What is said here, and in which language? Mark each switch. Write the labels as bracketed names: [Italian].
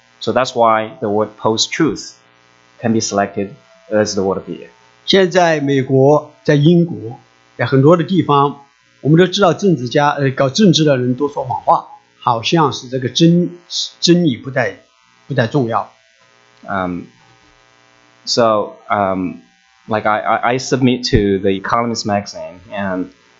[English] So that's why the word post-truth can be selected as the word of the year. [Chinese] 现在美国,在英国,在很多的地方, 我们都知道政治家,搞政治的人都说谎话, 好像是这个真理不再重要。 [English] Like I submit to the Economist magazine, and